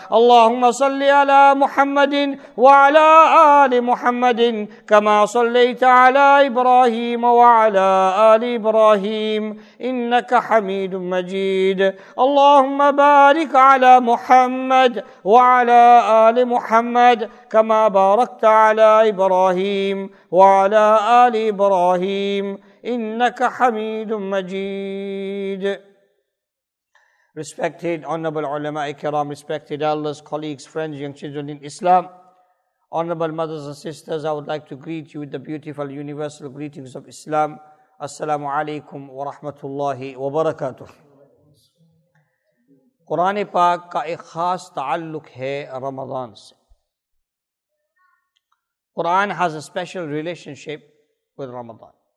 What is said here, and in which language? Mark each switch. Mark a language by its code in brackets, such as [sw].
[ar] اللهم صل على محمد وعلى آل محمد، كما صليت على إبراهيم وعلى آل إبراهيم، إنك حميد مجيد. اللهم بارك على محمد وعلى آل محمد، كما باركت على إبراهيم وعلى آل إبراهيم، إنك حميد مجيد. [en] Respected Honorable Ulama Ikram, respected elders, colleagues, friends, young children in Islam, Honorable mothers and sisters, I would like to greet you with the beautiful universal greetings of Islam. [ar] Assalamu alaikum wa rahmatullahi wa barakatuh. [ur] قرآن پاک کا ایک خاص تعلق ہے رمضان سے. [en] Quran has a special relationship with Ramadan.